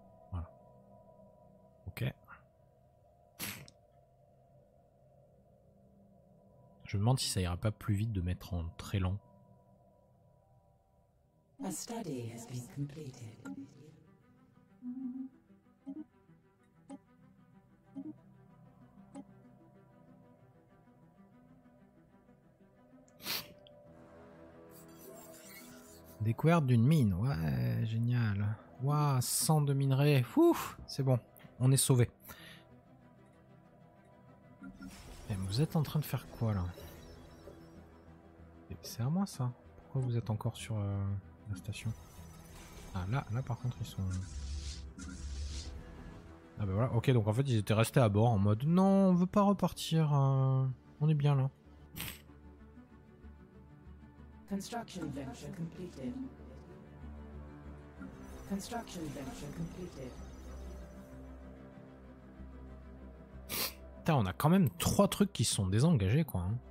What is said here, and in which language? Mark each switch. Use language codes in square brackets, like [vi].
[fr] Voilà. Ok. Je me demande si ça ira pas plus vite de mettre en très lent. [en] A study has been completed. Mmh. [fr] Découverte d'une mine. Ouais, génial. Waouh, 100 de minerais. Ouf, c'est bon. On est sauvé. Vous êtes en train de faire quoi là? C'est à moi ça. Pourquoi vous êtes encore sur la station? Ah là, là par contre ils sont. Ah bah voilà, ok, donc en fait ils étaient restés à bord en mode non, on veut pas repartir. On est bien là. [en] Construction venture completed. Construction venture completed. [fr] Putain, on a quand même trois trucs qui sont désengagés, quoi.